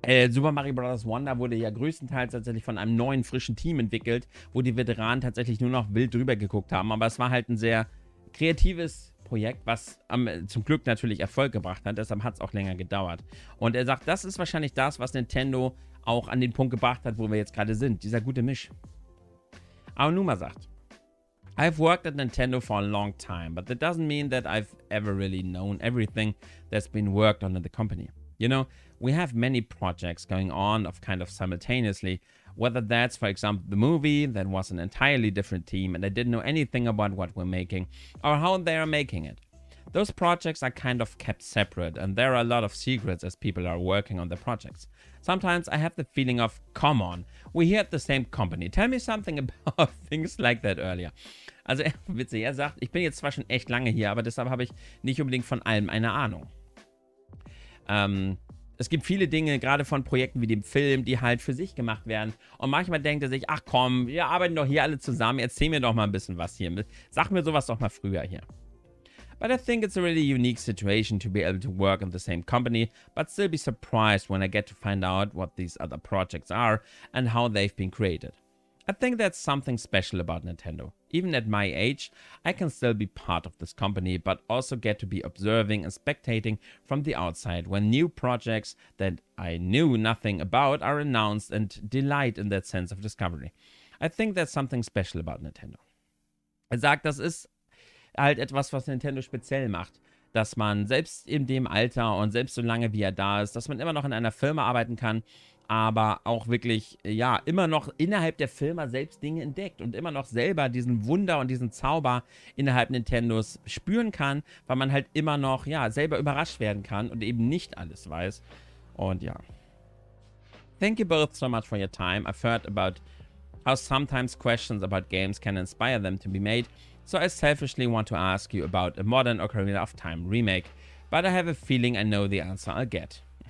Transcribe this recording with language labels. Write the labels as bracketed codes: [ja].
[de] Super Mario Bros. Wonder wurde ja größtenteils tatsächlich von einem neuen, frischen Team entwickelt, wo die Veteranen tatsächlich nur noch wild drüber geguckt haben. Aber es war halt ein sehr kreatives Projekt, was zum Glück natürlich Erfolg gebracht hat. Deshalb hat es auch länger gedauert. Und er sagt, das ist wahrscheinlich das, was Nintendo auch an den Punkt gebracht hat, wo wir jetzt gerade sind. Dieser gute Misch. Aonuma sagt, [en] I've worked at Nintendo for a long time, but that doesn't mean that I've ever really known everything that's been worked on in the company. You know, we have many projects going on of kind of simultaneously, whether that's, for example, the movie that was an entirely different team and I didn't know anything about what we're making or how they are making it. Those projects are kind of kept separate and there are a lot of secrets as people are working on the projects. Sometimes I have the feeling of, come on, we're here at the same company. Tell me something about things like that earlier. [de] Also, witzig, er sagt, ich bin jetzt zwar schon echt lange hier, aber deshalb habe ich nicht unbedingt von allem eine Ahnung. Es gibt viele Dinge, gerade von Projekten wie dem Film, die halt für sich gemacht werden. Und manchmal denkt er sich, ach komm, wir arbeiten doch hier alle zusammen, erzähl mir doch mal ein bisschen was hier. Sag mir sowas doch mal früher hier. [en] But I think it's a really unique situation to be able to work in the same company, but still be surprised when I get to find out what these other projects are and how they've been created. I think that's something special about Nintendo. Even at my age, I can still be part of this company, but also get to be observing and spectating from the outside when new projects that I knew nothing about are announced and delight in that sense of discovery. I think that's something special about Nintendo. [de] Er sagt, das ist halt etwas, was Nintendo speziell macht, dass man selbst in dem Alter und selbst so lange, wie er da ist, dass man immer noch in einer Firma arbeiten kann, aber auch wirklich, ja, immer noch innerhalb der Firma selbst Dinge entdeckt und immer noch selber diesen Wunder und diesen Zauber innerhalb Nintendos spüren kann, weil man halt immer noch, ja, selber überrascht werden kann und eben nicht alles weiß. Und ja. [en] Thank you both so much for your time. I've heard about how sometimes questions about games can inspire them to be made. So I selfishly want to ask you about a modern Ocarina of Time remake. But I have a feeling I know the answer I'll get.